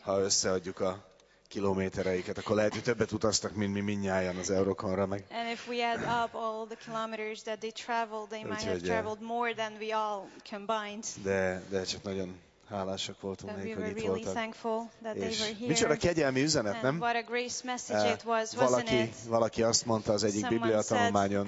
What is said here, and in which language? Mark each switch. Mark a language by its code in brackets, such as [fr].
[hu] Ha összeadjuk a kilométereiket, akkor lehet, hogy többet utaztak, mint mi mindnyájan az Eurokonra meg. [en] And if we add up all the kilometers that they traveled, they might have traveled more than we all combined. [hu] De csak nagyon hálásak voltunk nekik, hogy itt voltak. [en] Really thankful that they were here. [hu] Micsoda kegyelmi üzenet, nem? [en] What a grace message it was, wasn't it? [hu] Valaki azt mondta az egyik Biblia tanulmányon,